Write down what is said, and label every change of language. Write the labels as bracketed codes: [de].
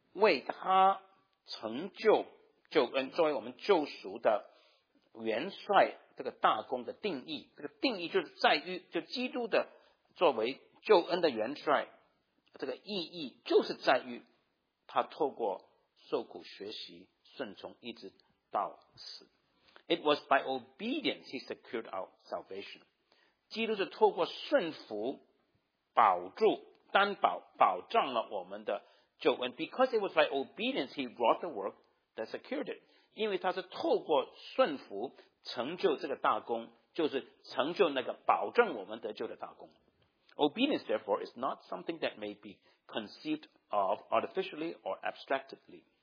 [zh] 就是这种的顺服为他成就 救恩作为我们救赎的元帅，这个大功的定义，这个定义就是在于，就基督的作为救恩的元帅，这个意义就是在于他透过受苦、学习、顺从，一直到死。 [en] It was by obedience he secured our salvation. [zh] 基督是透过顺服、保住、担保、保障了我们的救恩。 [en] Because it was by obedience he wrought the work that secured it. [zh] 因为他是透过顺服成就这个大功，就是成就那个保证我们得救的大功。 [en] Obedience, therefore, is not something that may be conceived of artificially or abstractly.